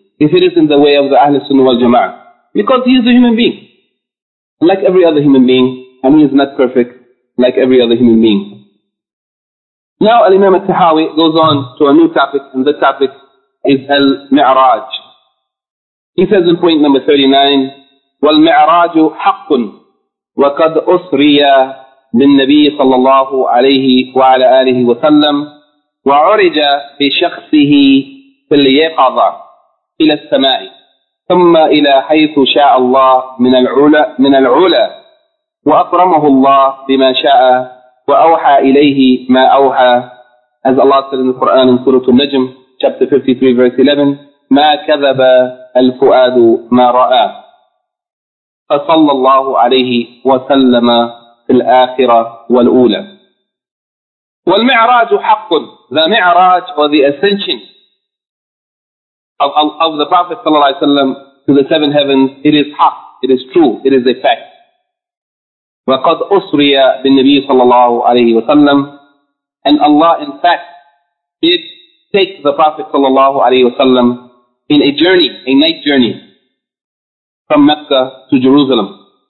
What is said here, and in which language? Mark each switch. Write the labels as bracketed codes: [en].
[en] If it is in the way of the Ahl Sunnah wal Jama'ah. Because he is a human being, like every other human being, and he is not perfect, like every other human being. Now, Al-Imam Al-Tahawi goes on to a new topic, and the topic is Al-Mi'raj. He says in point number 39, [ar] وَالْمِعْرَاجُ حَقٌ وَقَدْ أُسْرِيَا بِالنَّبِيِّ صَلَّى اللَّهُ عَلَيْهِ وَعَلَى آلِهِ وَسَلَّمْ وَعُرِجَ بِشَخْصِهِ فِي الْيَقَضَى إلى السماء ثم إلى حيث شاء الله من العلا وأكرمه الله بما شاء وأوحى إليه ما أوحى. [en] As Allah said in the Quran in Surah Al-Najm, chapter 53, verse 11, [ar] ما كذب الفؤاد ما رأى فصلى الله عليه وسلم في الآخرة والأولى. والمعراج حق, [en] the معراج or the ascension of the Prophet ﷺ to the seven heavens, it is haq, it is true, it is a fact. [ar] وَقَدْ أُسْرِيَ بِالنَّبِيِّ صَلَّى اللَّهُ عَلَيْهِ وَسَلَّمْ, [en] and Allah in fact did take the Prophet ﷺ in a journey, a night journey, from Mecca to Jerusalem.